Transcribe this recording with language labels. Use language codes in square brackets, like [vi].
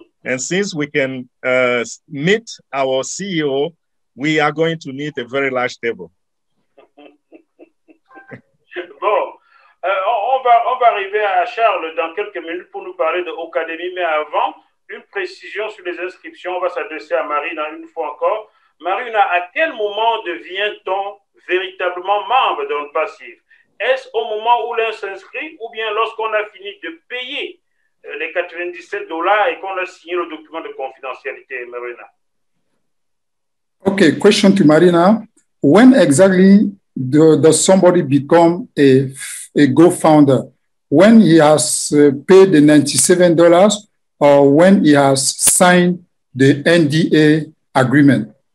[en] And since we can meet our CEO, we are going to need a very large table. [fr] on va arriver à Charles dans quelques minutes pour nous parler de Ocademy. Mais avant, une précision sur les inscriptions. On va s'adresser à Marina une fois encore. Marina, à quel moment devient-on véritablement membre d'un passif? Est-ce au moment où l'on s'inscrit ou bien lorsqu'on a fini de payer les $97 et qu'on a signé le document de confidentialité, Marina? [en] OK, question to Marina. When exactly does somebody become a co-founder? When he has paid the $97 or when he has signed the NDA agreement?